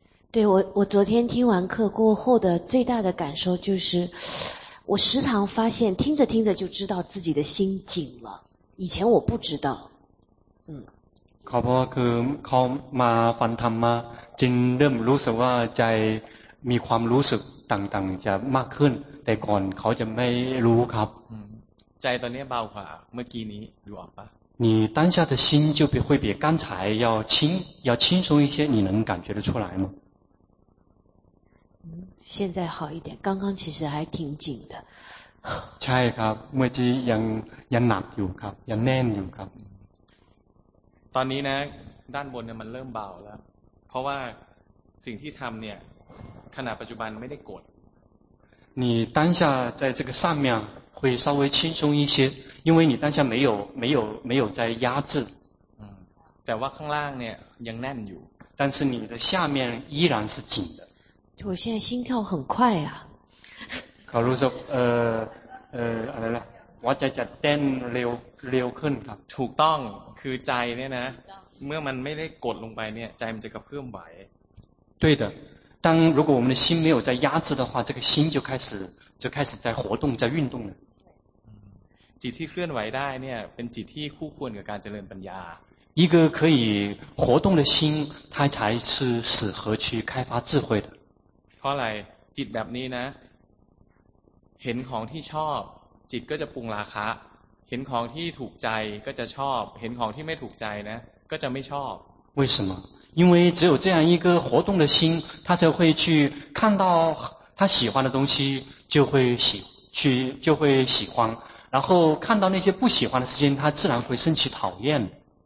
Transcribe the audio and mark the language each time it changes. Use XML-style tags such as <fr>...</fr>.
<zh>对，我昨天听完课过后的最大的感受就是，我时常发现听着听着就知道自己的心紧了，以前我不知道。</zh> <th>เขาบอกเขามาฟังธรรมมาจึงเริ่มรู้สึกว่าใจมีความรู้สึกต่างๆจะมากขึ้นแต่ก่อนเขาจะไม่รู้ครับ 在ตอนนี้เบากว่าเมื่อกี้นี้หรือเปล่า</th> <zh>你当下的心就会比刚才要轻松一些，你能感觉得出来吗？现在好一点，刚刚其实还挺紧的。</zh> <th>ใช่ครับเมื่อกี้ยังหนักอยู่ครับยังแน่นอยู่ครับ ตอนนี้นะด้านบนเนี่ยมันเริ่มเบาแล้วเพราะว่าสิ่งที่ทำเนี่ยขณะปัจจุบันไม่ได้กด</th> <zh>你当下在这个上面会稍微轻松一些，因为你当下没有在压制。</zh> <th>แต่ว่าข้างล่างเนี่ยยังแน่นอยู่</th> <zh>但是你的下面依然是紧的我现在心跳很快啊</zh> <th>เขารู้สึกอะไรล่ะว่าจะเต้นเร็วขึ้นครับ ถูกต้องคือใจเนี่ยนะเมื่อมันไม่ได้กดลงไปเนี่ยใจมันจะกระเพื่อมไหว</th> <zh>对的当如果我们的心没有在压制的话这个心就开始在活动在运动了</zh> <th>จิตที่เคลื่อนไหวได้เนี่ยเป็นจิตที่คู่ควรกับการเจริญปัญญา</th> <zh>一个可以活动的心它才是适合去开发智慧的</zh> <th>เพราะอะไรจิตแบบนี้นะเห็นของที่ชอบจิตก็จะปรุงราคะเห็นของที่ถูกใจก็จะชอบเห็นของที่ไม่ถูกใจนะก็จะไม่ชอบ</th> <zh>为什么因为只有这样一个活动的心它才会去看到它喜欢的东西就会喜欢然后看到那些不喜欢的事情它自然会升起讨厌</zh>